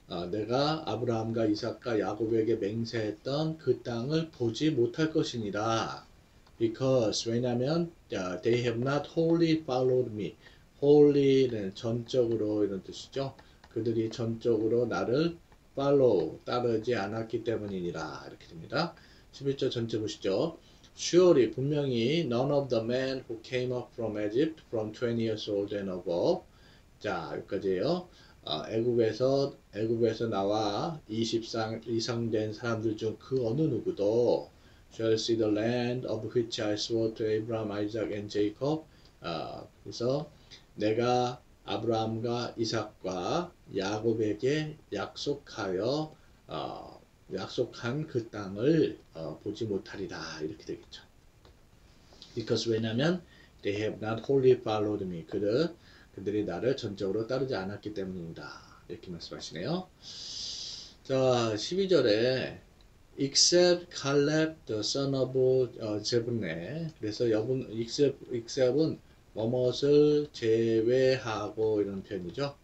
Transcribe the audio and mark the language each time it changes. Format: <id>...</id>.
<ko>내가 아브라함과 이삭과 야곱에게 맹세했던 그 땅을 보지 못할 것이니라.</ko> <en>Because</en> <ko>왜냐면</ko> <en>they have not wholly followed me.</en> <ko>Wholly는 전적으로 이런 뜻이죠. 그들이 전적으로 나를 follow 따르지 않았기 때문이니라 이렇게 됩니다. 11절 전체 보시죠.</ko> <en>Surely</en> <ko>분명히</ko> <en>none of the men who came up from Egypt from 20 years old and above.</en> <ko>자, 여기까지예요. 애굽에서 나와 20상 이상 된 사람들 중그 어느 누구도</ko> <en>shall see the land of which I swore to Abraham, Isaac, and Jacob.</en> <ko>그래서 내가 아브라함과 이삭과 야곱에게 약속한 그 땅을 보지 못하리라 이렇게 되겠죠.</ko> <en>Because</en> <ko>왜냐면</ko> <en>they have not wholly followed me.</en> <ko>그들이 나를 전적으로 따르지 않았기 때문입니다. 이렇게 말씀하시네요. 자, 12절에</ko> <en>except Caleb the son of Jephunneh.</en> <ko>그래서 여분 except은 뭐뭇을 제외하고 이런 표현이죠.</ko>